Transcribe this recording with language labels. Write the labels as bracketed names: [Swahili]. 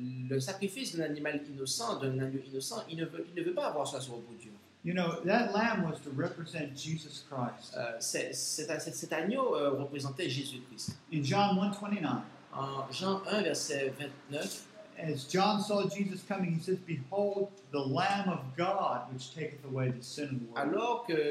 [French] Le sacrifice d'un animal innocent, d'un agneau innocent, il ne veut pas avoir cela sur le bout de Dieu. [English] You know, that lamb was to represent Jesus Christ. [French] Cet agneau représentait Jésus-Christ. [English] In John 1:29. [French] En Jean 1, verset 29. [English] As John saw Jesus coming, he says, "Behold, the Lamb of God, which taketh away the sin of the world."